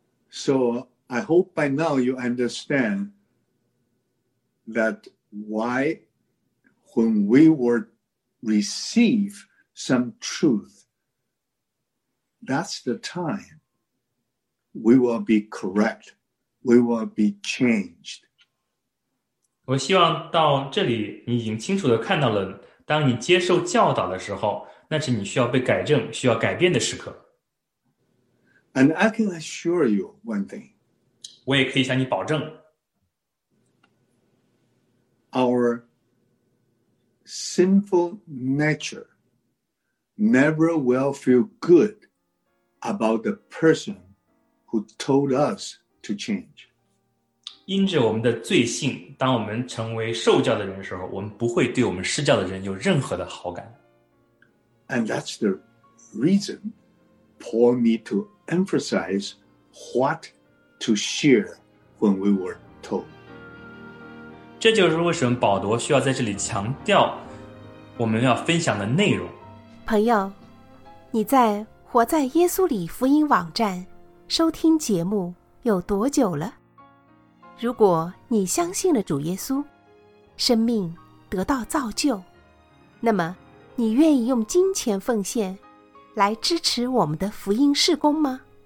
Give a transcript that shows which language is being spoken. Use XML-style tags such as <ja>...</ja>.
<en>So I hope by now you understand that why when we were receive some truth, that's the time we will be correct, we will be changed.</en> <zh>我希望到这里你已经清楚地看到了，当你接受教导的时候，那是你需要被改正、需要改变的时刻。</zh> <en>And I can assure you one thing.</en> <zh>我也可以向你保证。</zh> <en>Our sinful nature never will feel good about the person who told us to change.</en> <zh>因着我们的罪性，当我们成为受教的人的时候，我们不会对我们施教的人有任何的好感。</zh> <en>And that's the reason Paul need to emphasize what to share when we were told.</en> <zh>这就是为什么保罗需要在这里强调我们要分享的内容。朋友，你在活在耶稣里福音网站收听节目有多久了？如果你相信了主耶稣，生命得到造就，那么你愿意用金钱奉献来支持我们的福音事工吗？</zh>